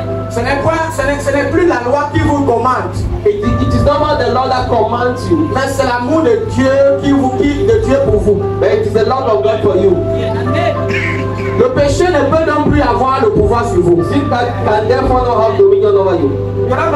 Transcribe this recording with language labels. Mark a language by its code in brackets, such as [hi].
[fr] Ce n'est pas, ce n'est plus la loi qui vous commande. [en] It is not the law that commands you. [fr] Mais c'est l'amour de Dieu de Dieu pour vous. [en] But it is the love of God for you. Amen. [fr] Le péché ne peut non plus avoir le pouvoir sur vous. [en] Sin can therefore not have dominion over you.